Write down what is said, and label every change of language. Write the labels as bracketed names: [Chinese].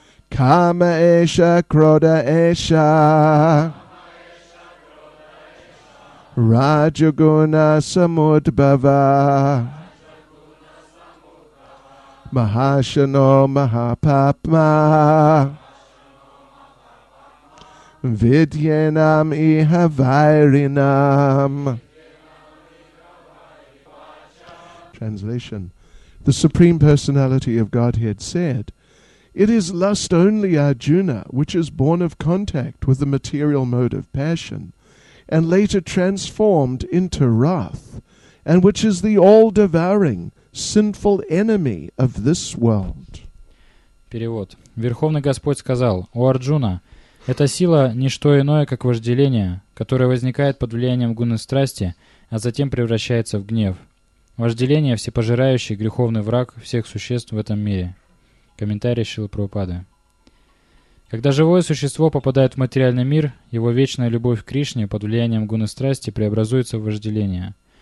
[Sanskrit] Кама эша крода эша, раджагуна самудбава, махашано махапапма, видьенам иха вайринам. [English] Translation. The Supreme Personality of Godhead said, it is lust only, Arjuna, which is born of contact with the material mode of passion and later transformed into wrath, and which is the all-devouring, sinful enemy of this world. [Russian] Перевод. Верховный Господь сказал, «О Арджуна, эта сила – не что иное, как вожделение, которое возникает под влиянием гуны страсти, а затем превращается в гнев. Вожделение – всепожирающий греховный враг всех существ в этом мире». Комментарий Шрилы Прабхупады. Когда живое существо попадает в материальный мир, его вечная любовь к Кришне под влиянием гуны страсти преобразуется в вожделение.